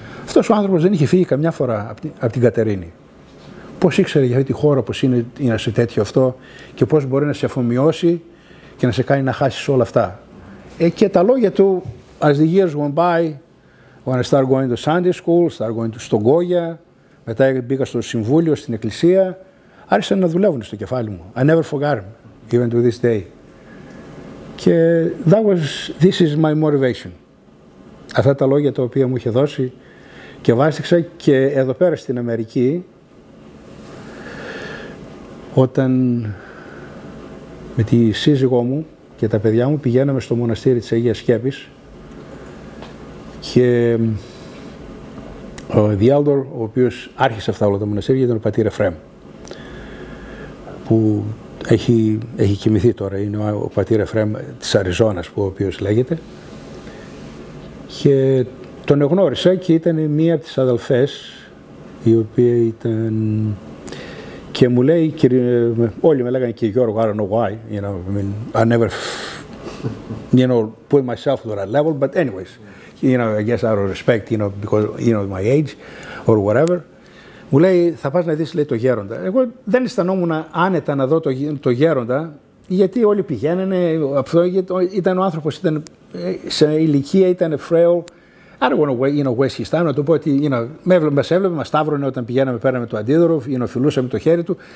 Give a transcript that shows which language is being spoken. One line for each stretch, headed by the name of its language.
Greek: Αυτός ο άνθρωπος δεν είχε φύγει καμιά φορά από την Κατερίνη. Πώς ήξερε για αυτή τη χώρα πώς είναι να σε τέτοιο αυτό και πώς μπορεί να σε αφομοιώσει και να σε κάνει να χάσεις όλα αυτά. Και τα λόγια του,
English: as the years went by, when I started going to
Greek: Sunday school, started going to Στογκόγια, μετά μπήκα στο συμβούλιο, στην εκκλησία, άρχισαν να δουλεύουν στο κεφάλι μου.
English: I never forgot him, even to this day. Και this is my motivation.
Greek: Αυτά τα λόγια τα οποία μου είχε δώσει και βάστηξα και εδώ πέρα στην Αμερική, όταν με τη σύζυγό μου και τα παιδιά μου πηγαίναμε στο μοναστήρι της Αγίας Σκέπης και ο Διάλτορ, ο οποίος άρχισε αυτά όλα τα μοναστήρια, ήταν ο πατήρ Εφραίμ, που έχει κοιμηθεί τώρα, είναι ο πατήρ Εφραίμ της Αριζόνας, που ο οποίος λέγεται. Και τον εγνώρισα και ήταν μία από τις αδελφές, η οποία ήταν. Και μου λέει, όλοι με λέγανε και Γιώργο,
English: I don't know why, you know, I mean, I never, you know, put myself to that level, but anyways, you know, I guess out of respect, you know, because, you know, my age, or whatever.
Greek: Μου λέει, θα πας να δεις, λέει, το γέροντα. Εγώ δεν αισθανόμουν άνετα να δω το γέροντα, γιατί όλοι πηγαίνανε, αυτό, γιατί ήταν ο άνθρωπος, ήταν σε ηλικία, ήταν
English: frail. I don't want to, you know, waste his time,
Greek: να του πω ότι,
English: you know,
Greek: μας έβλεπε, μας σταύρωνε όταν πηγαίναμε, πέραμε το αντίδωρο, you know, φιλούσαμε το χέρι του.